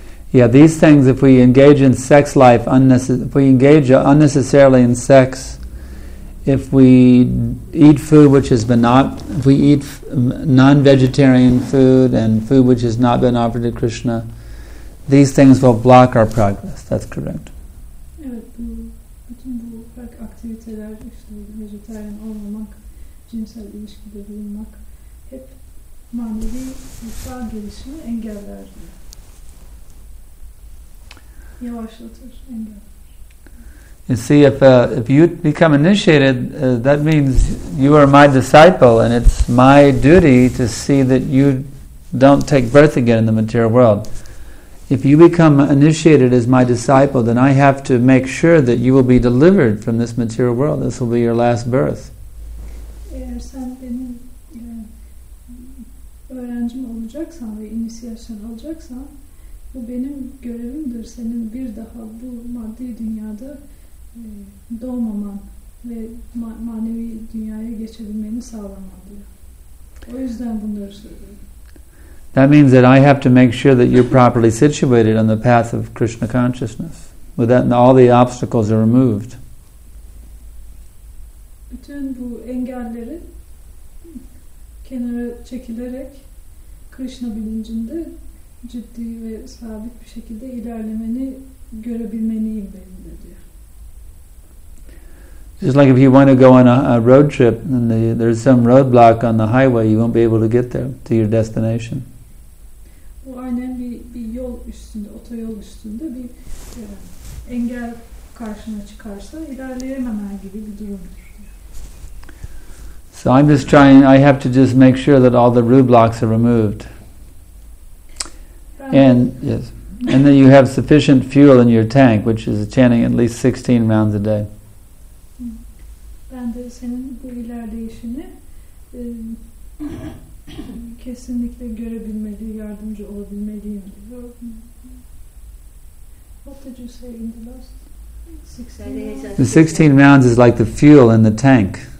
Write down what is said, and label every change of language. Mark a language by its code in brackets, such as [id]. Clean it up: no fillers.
[en] Yeah, these things, if we engage in sex life, if we engage unnecessarily in sex, if we eat food which has been not, if we eat non-vegetarian food and food which has not been offered to Krishna, these things will block our progress. That's correct. [tr] Evet, bütün bu aktiviteler, işte vegetarian olmamak, cinsel ilişkide bulunmak, hep manevi ruhsal gelişimi engeller. [en] You see, if you become initiated, that means you are my disciple, and it's my duty to see that you don't take birth again in the material world. If you become initiated as my disciple, then I have to make sure that you will be delivered from this material world. This will be your last birth. [tr] Eğer sen benim öğrencim olacaksan ve inisiyasyon alacaksan, bu benim görevimdir. Senin bir daha bu maddi dünyada doğmaman ve manevi dünyaya geçebilmeni sağlamam diyor. O yüzden bunları söylüyorum. [en] That means that I have to make sure that you're properly situated on the path of Krishna consciousness. With that, all the obstacles are removed. [tr] Bütün bu engelleri kenara çekilerek Krishna bilincinde ciddi ve sabit bir şekilde ilerlemeni görebilmeniyim benim diyor. [en] Just like if you want to go on a road trip and there's some roadblock on the highway, you won't be able to get there to your destination. [tr] Bu aynen bir yol üstünde, otoyol üstünde bir engel karşına çıkarsa ilerleyememen gibi bir durumdur. [en] So I'm just trying, I have to just make sure that all the roadblocks are removed. And that you have sufficient fuel in your tank, which is chanting at least 16 rounds a day. [tr] Ben de senin bu ilerleyişini kesinlikle görebilmeli, yardımcı olabilmeliyim diyor. [en] What did you say in the last 16 rounds? The 16 rounds is like the fuel in the tank.